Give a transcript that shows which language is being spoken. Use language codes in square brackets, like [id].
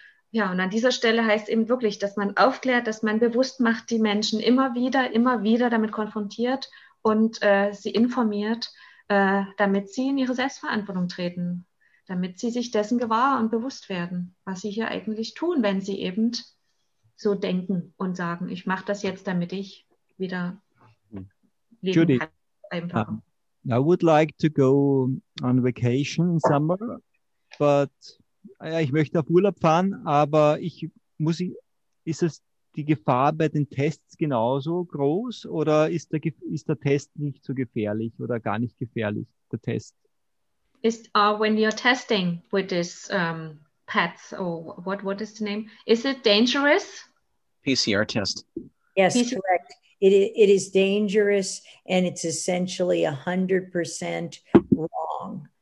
[de] Ja, und an dieser Stelle heißt eben wirklich, dass man aufklärt, dass man bewusst macht, die Menschen immer wieder damit konfrontiert und sie informiert, damit sie in ihre Selbstverantwortung treten, damit sie sich dessen gewahr und bewusst werden, was sie hier eigentlich tun, wenn sie eben so denken und sagen, ich mache das jetzt, damit ich wieder leben Judy, kann. Einfach. [en] I would like to go on vacation somewhere, but... [de] Ja, ich möchte auf Urlaub fahren, aber ist es die Gefahr bei den Tests genauso groß oder ist der Test nicht so gefährlich oder gar nicht gefährlich, der Test? [en] When you're testing with this PETS, what is the name? Is it dangerous? PCR test. Yes, correct. It is dangerous and it's essentially 100% wrong.